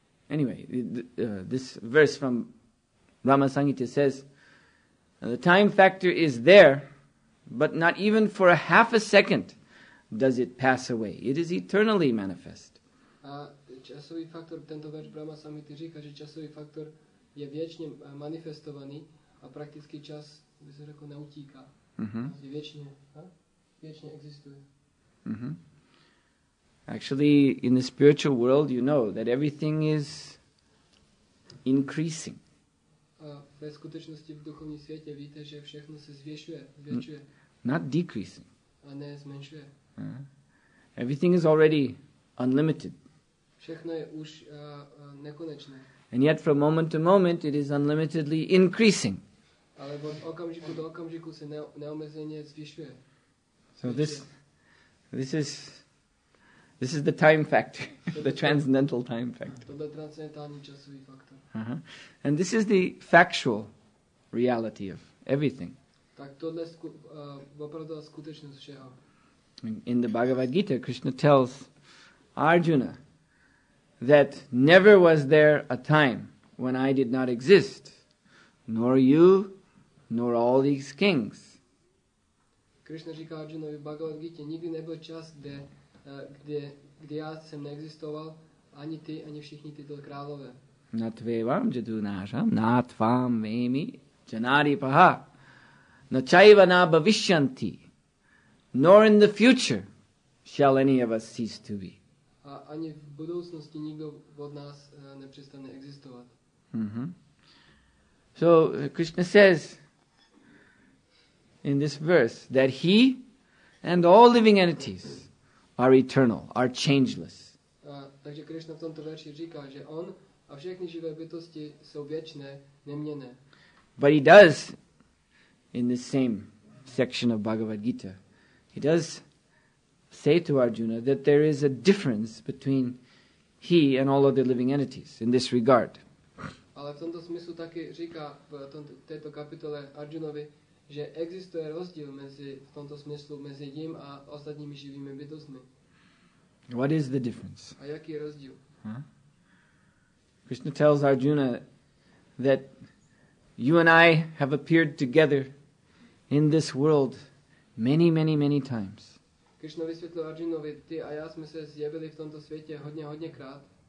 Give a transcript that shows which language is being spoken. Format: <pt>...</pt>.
<en>Anyway, this verse from Rama Sanghita says, the time factor is there, but not even for a half a second does it pass away. It is eternally manifest.</en> <cs>Časový faktor, tento verš Brahma Samhity říká, že časový faktor je věčně manifestovaný a praktický čas, by se řekl, neutíká. Mm-hmm. Je věčně, věčně existuje. Mm-hmm.</cs> <en>Actually, in the spiritual world, you know that everything is increasing.</en> <cs>Ve skutečnosti v duchovním světě víte, že všechno se zvětšuje.</cs> <en>Not decreasing.</en> <cs>A ne zmenšuje.</cs> <en>Everything is already unlimited.</en> <cs>Všechno je už nekonečné.</cs> <en>And yet from moment to moment it is unlimitedly increasing.</en> <cs>Ale od okamžiku do okamžiku se neomezeně zvyšuje.</cs> <en>So this is the time factor, the transcendental time factor.</en> <cs>Tohle je transcendentální časový faktor. Uh-huh.</cs> <en>And this is the factual reality of everything.</en> <cs>Tak tohle opravdu skutečnost všeho.</cs> <en>In the Bhagavad Gita, Krishna tells Arjuna that never was there a time when I did not exist, nor you, nor all these kings.</en> <cs>Krishna říká Arjuna v Bhagavad Gita, nikdy nebyl čas, kde já jsem neexistoval, ani ty, ani všichni tyto králové.</cs> <sa>Na tvé vám, že tu nášam, na tvám vémi, janari paha, na čajva na bavishyanti,</sa> <en>nor in the future shall any of us cease to be.</en> <cs>A ani v budoucnosti nikdo od nás nepřestane existovat. Mm-hmm.</cs> <en>So Krishna says in this verse that he and all living entities are eternal, are changeless.</en> <cs>Takže Krishna v tomto verši říká, že on a všechny živé bytosti jsou věčné, neměnné.</cs> <en>But he does, in this same section of Bhagavad Gita, he does say to Arjuna that there is a difference between he and all other living entities in this regard.</en> <cs>Ale v tomto smyslu taky říká v této kapitole Arjunovi, že existuje rozdíl mezi v tomto smyslu mezi ním a ostatními živými bytostmi.</cs> <en>What is the difference?</en> <cs>A jaký je rozdíl?</cs> <en>Krishna tells Arjuna that you and I have appeared together in this world many, many, many times.</en> <cs>Krishna vysvětlil Arjunovi, ty a já jsme se zjevili v tomto světě hodně, hodně krát.</cs>